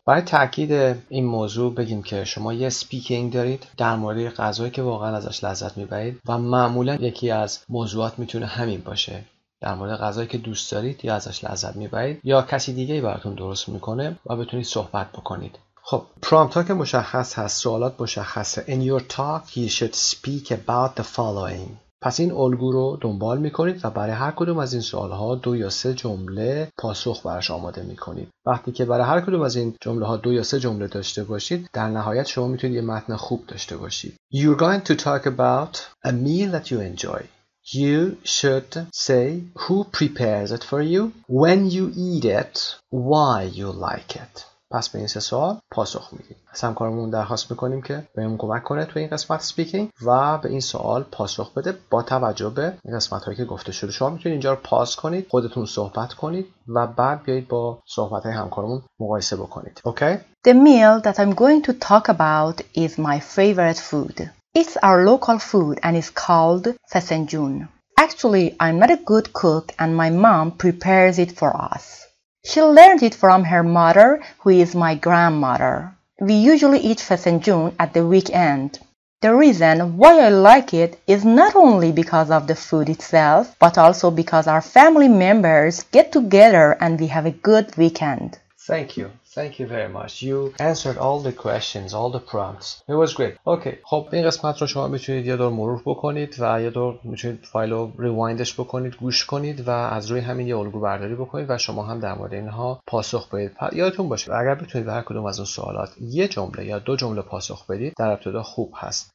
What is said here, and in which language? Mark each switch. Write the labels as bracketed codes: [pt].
[fa] برای تأکید این موضوع بگیم که شما یه سپیکینگ دارید در مورد غذایی که واقعا ازش لذت میبرید و معمولا یکی از موضوعات میتونه همین باشه. در مورد غذایی که دوست دارید یا ازش لذت میبرید یا کسی دیگه براتون درست میکنه و بتونید صحبت بکنید. خب پرامپت ها که مشخص هست، سوالات مشخصه. [en] In your talk you should speak about the following. [fa] پس این الگو رو دنبال میکنید و برای هر کدوم از این سوال ها دو یا سه جمله پاسخ براش آماده میکنید. وقتی که برای هر کدوم از این جمله ها دو یا سه جمله داشته باشید، در نهایت شما میتونید یه متن خوب داشته باشید. [en] You're going to talk about a meal that you enjoy. You should say who prepares it for you, when you eat it, why you like it. [fa] پس به این سه سوال پاسخ میدید. از همکارمون درخواست میکنیم که به من کمک کنه توی این قسمت speaking و به این سوال پاسخ بده با توجه به این قسمت هایی که گفته شده. شما میتونید اینجا رو پاس کنید، خودتون صحبت کنید و بعد بیایید با صحبت های همکارمون مقایسه بکنید. [en] Okay? The meal that I'm going to talk about is my favorite food. It's our local food and it's called sesenjun. Actually, I'm not a good cook and my mom prepares it for us. She learned it from her mother, who is my grandmother. We usually eat sesenjun at the weekend. The reason why I like it is not only because of the food itself, but also because our family members get together and we have a good weekend. Thank you. Thank you very much. You answered all the questions, all the prompts. It was great. Okay. [fa] خب این قسمت رو شما میتونید یه دور مرور بکنید و یه دور میتونید فایل رو ریوایندش بکنید، گوش کنید و از روی همین یه الگو برداری بکنید و شما هم در مورد اینها پاسخ بدید. یادتون باشه اگر بتونید به هر کدوم از اون سوالات یه جمله یا دو جمله پاسخ بدید، در ابتدا خوب هست.